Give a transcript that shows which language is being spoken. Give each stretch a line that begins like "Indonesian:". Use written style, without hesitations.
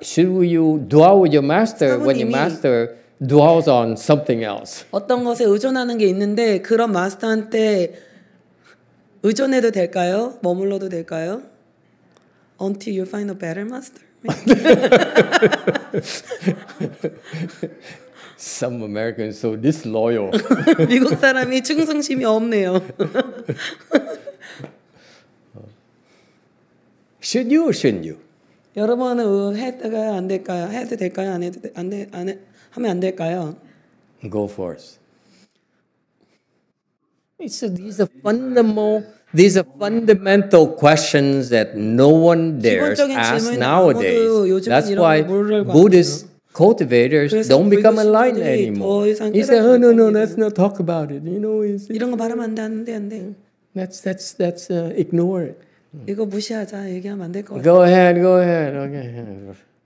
English: should you dwell with your master when your master dwells on something else?
Korean: 어떤 것에 의존하는 게 있는데 그런 마스터한테 의존해도 될까요? 머물러도 될까요?
English: Until you find a better master. Some Americans so disloyal.
Korean: 미국 사람이 충성심이 없네요.
English: Should you or shouldn't you?
Korean: 여러분은 했다가 안 될까요? 해도 될까요? 안 해도 안 하면 안 될까요?
English: Go forth. These are fundamental questions that no one dares ask nowadays. That's why Buddhist cultivators don't become enlightened anymore. He said, no, let's not talk about it. You know, it's
Korean: 이런 거 말하면 안 돼, 안 돼, 안 돼.
English: That's ignore it.
Korean: 이거 무시하자, 얘기하면 안 될 것 같아.
English: Go ahead, okay.